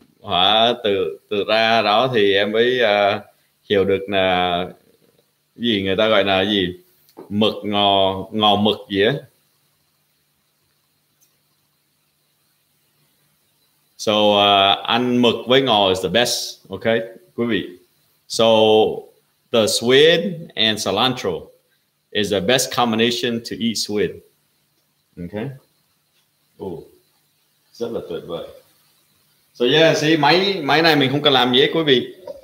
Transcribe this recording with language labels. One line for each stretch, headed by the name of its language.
Vietnamese: Hả, từ ra đó thì em mới hiểu được là gì, người ta gọi là gì, mực ngò, ngò mực gì á. So ăn mực với ngò
English: is the best,
Vietnamese: okay quý vị.
English: So the squid and cilantro is the best combination to eat squid.
Vietnamese: Okay. Oh, rất là tuyệt vời.
English: So yeah, see,
Vietnamese: máy này mình không cần làm gì hết, quý vị.